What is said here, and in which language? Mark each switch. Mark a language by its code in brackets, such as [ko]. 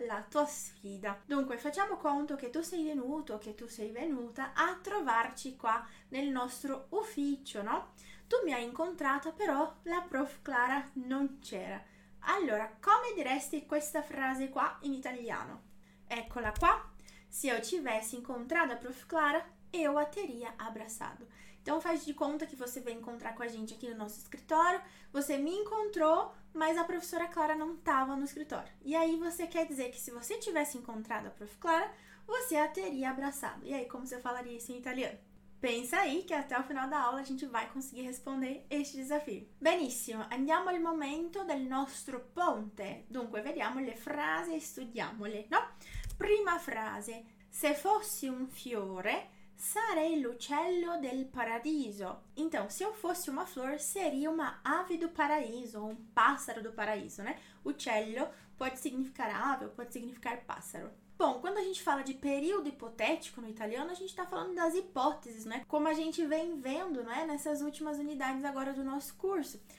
[it] La tua sfida. Dunque, facciamo conto che tu sei venuto, che tu sei venuta a trovarci qua nel nostro ufficio, no? Tu mi hai incontrata, però la prof Clara non c'era. Allora, come diresti questa frase qua in italiano? Eccola qua. [pt] Se eu tivesse encontrado a prof Clara, eu a teria abraçado. Então, faz de conta que você veio encontrar com a gente aqui no nosso escritório. Você me encontrou, mas a professora Clara não estava no escritório. E aí, você quer dizer que se você tivesse encontrado a prof Clara, você a teria abraçado. E aí, como você falaria isso em italiano? Pensa aí que até o final da aula a gente vai conseguir responder este desafio. [it] Benissimo, andiamo al momento del nostro ponte. Dunque, vediamo le frasi e studiamole, no? Prima frase: se fossi un fiore, sarei l'uccello del paradiso. [pt] Então, se eu fosse uma flor, seria uma ave do paraíso, um pássaro do paraíso, né? Uccello pode significar ave, pode significar pássaro. Bom, quando a gente fala de período hipotético no italiano, a gente está falando das hipóteses, né? Como a gente vem vendo, né? Nessas últimas unidades agora do nosso curso.